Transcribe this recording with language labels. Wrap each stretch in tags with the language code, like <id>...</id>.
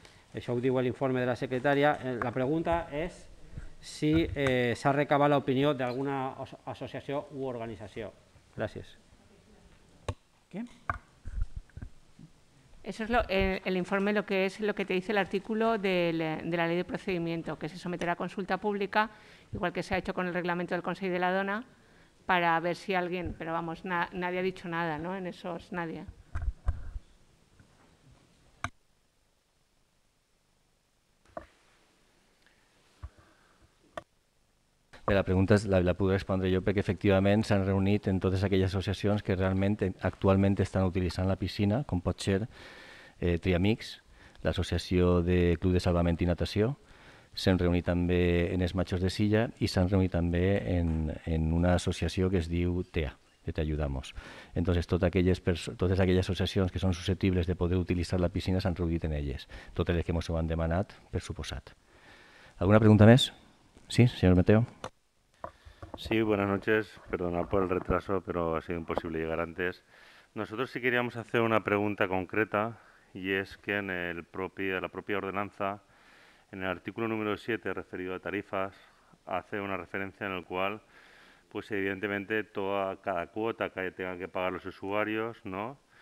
<ca>Això ho diu l'informe de la secretària. La pregunta és si s'ha recabat l'opinió d'alguna associació o organització. Gràcies.</ca> <es>¿Qué? Eso es el informe, lo que te dice el artículo de la ley de procedimiento, que se someterá a consulta pública, igual que se ha hecho con el reglamento del Consejo de la Dona, para ver si alguien, pero vamos, nadie ha dicho nada, ¿no? En eso es nadie.</es> <ca>La pregunta la puc respondre jo perquè efectivament s'han reunit en totes aquelles associacions que realment actualment estan utilitzant la piscina, com pot ser Triamics, l'associació de Club de Salvament i Natació, s'han reunit també en els Machos de Silla i s'han reunit també en una associació que es diu TEA, de Te Ayudamos. Entonces, totes aquelles associacions que són susceptibles de poder utilitzar la piscina s'han reunit en elles, totes les que ens ho han demanat, per suposat. Alguna pregunta més? Sí, señor Mateo.</ca> <es>Sí, buenas noches. Perdona por el retraso, pero ha sido imposible llegar antes. Nosotros sí queríamos hacer una pregunta concreta y es que en la propia ordenanza, en el artículo número 7 referido a tarifas, hace una referencia en la cual, pues evidentemente, cada cuota que tengan que pagar los usuarios, ¿no?</es>